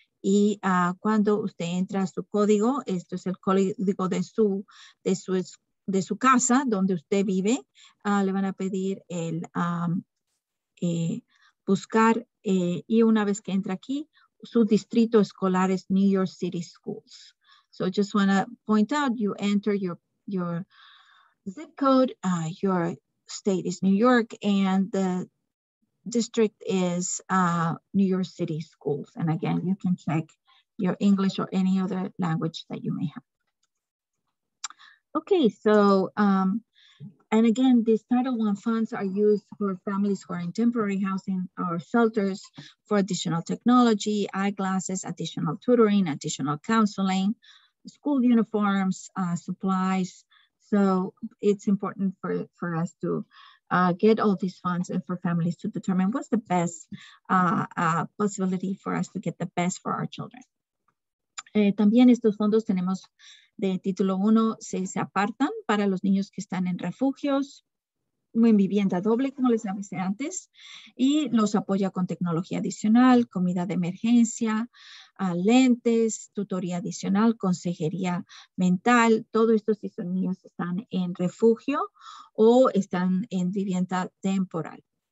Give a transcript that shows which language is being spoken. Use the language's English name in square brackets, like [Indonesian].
[Spanish] Y cuando usted entra a su código, esto es el código de su casa donde usted vive, le van a pedir el buscar y una vez que entra aquí, su distrito escolar es New York City Schools. [English] So just want to point out, you enter your zip code, your state is New York and the district is New York City Schools. And again, you can check your English or any other language that you may have. Okay, so, and again, these Title I funds are used for families who are in temporary housing or shelters for additional technology, eyeglasses, additional tutoring, additional counseling, school uniforms, supplies. So it's important for us to get all these funds and for families to determine what's the best possibility for us to get the best for our children. [Spanish] También estos fondos tenemos de título 1 se apartan para los niños que están en refugios o en vivienda doble, como les avisé antes, y los apoya con tecnología adicional, comida de emergencia, lentes, tutoría adicional, consejería mental, todo esto si son niños que están en refugio o están en vivienda temporal.